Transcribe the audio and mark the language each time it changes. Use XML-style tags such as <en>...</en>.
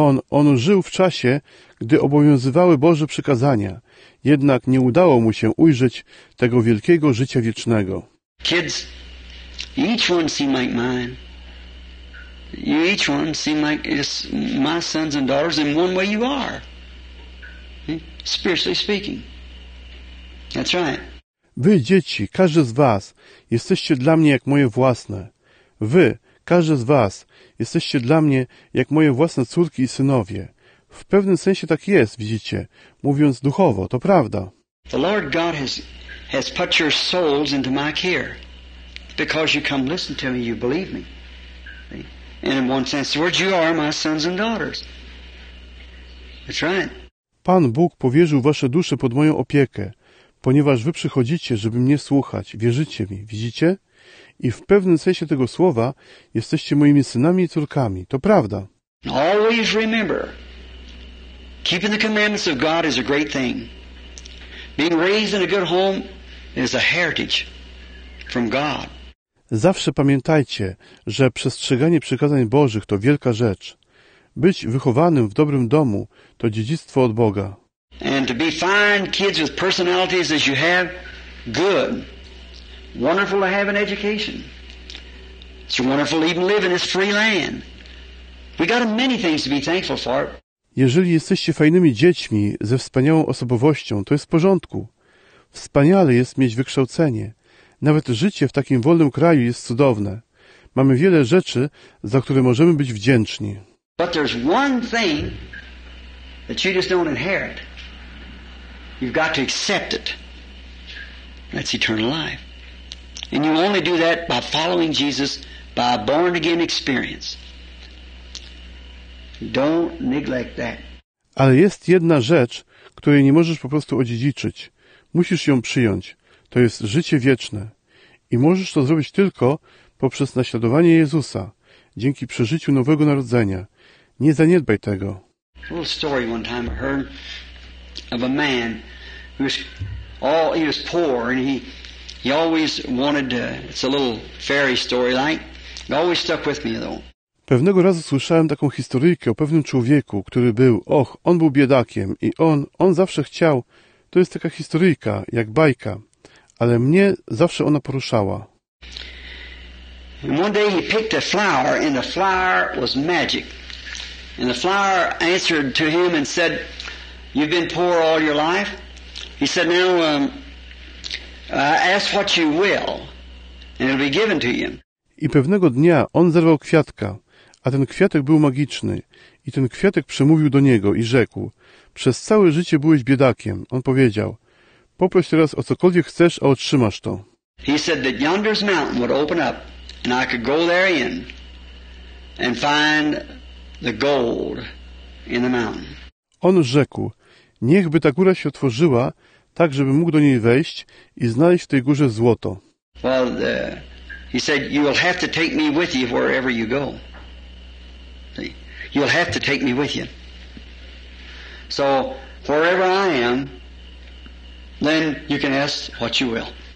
<pl>On żył w czasie, gdy obowiązywały Boże przykazania. Jednak nie udało mu się ujrzeć tego wielkiego życia wiecznego.</pl> <en>Kids, each one seem like mine. You each one seem like it's my sons and daughters in one way you are. Spiritually speaking. That's right.</en> <pl>Wy, dzieci, każdy z was, jesteście dla mnie jak moje własne. Wy, każdy z was, jesteście dla mnie jak moje własne córki i synowie. W pewnym sensie tak jest, widzicie, mówiąc duchowo, to prawda.</pl> <en>The Lord God has put your souls into my care. Because you come listen to me, you believe me. And in one sense, the words, you are my sons and daughters. That's right.</en> <pl>Pan Bóg powierzył wasze dusze pod moją opiekę, ponieważ wy przychodzicie, żeby mnie słuchać, wierzycie mi, widzicie? I w pewnym sensie tego słowa jesteście moimi synami i córkami. To prawda.</pl> <en>Always remember, keeping the commandments of God is a great thing. Being raised in a good home is a heritage from God.</en> <pl>Zawsze pamiętajcie, że przestrzeganie przykazań Bożych to wielka rzecz. Być wychowanym w dobrym domu to dziedzictwo od Boga.</pl> <en>And to be fine kids with personalities as you have, good. Wonderful to have an education. It's wonderful to even live in this free land. We got many things to be thankful for.</en> <pl>Jeżeli jesteście fajnymi dziećmi ze wspaniałą osobowością, to jest w porządku. Wspaniale jest mieć wykształcenie. Nawet życie w takim wolnym kraju jest cudowne. Mamy wiele rzeczy, za które możemy być wdzięczni.</pl> <en>But there's one thing that you just don't inherit. You've got to accept it. That's eternal life. And you only do that by following Jesus, by a born-again experience. Don't neglect that.</en> <pl>Ale jest jedna rzecz, której nie możesz po prostu odziedziczyć. Musisz ją przyjąć. To jest życie wieczne. I możesz to zrobić tylko poprzez naśladowanie Jezusa, dzięki przeżyciu nowego narodzenia. Nie zaniedbaj tego.</pl> <en>Little story one time I heard of a man who was all he was poor and he always wanted to, it's a little fairy story like, it always stuck with me though.</en> <pl>Pewnego razu słyszałem taką historyjkę o pewnym człowieku, który był, och, on był biedakiem i on zawsze chciał, to jest taka historyjka, jak bajka. Ale mnie zawsze ona poruszała.</pl> <en>One day he picked a flower and the flower was magic. And the flower answered to him and said, you've been poor all your life? He said, now ask what you will and it'll be given to you.</en> <pl>I pewnego dnia on zerwał kwiatka, a ten kwiatek był magiczny. I ten kwiatek przemówił do niego i rzekł, przez całe życie byłeś biedakiem. On powiedział, poproś teraz o cokolwiek chcesz, a otrzymasz to.</pl> <en>He said that yonder's mountain would open up and I could go there in and find the gold in the mountain.</en> <pl>On rzekł, niechby ta góra się otworzyła, tak żebym mógł do niej wejść i znaleźć w tej górze złoto.</pl> <en>Well, he said, you will have to take me with you wherever you go. You'll have to take me with you. So, wherever I am, then you can ask what you will.</en>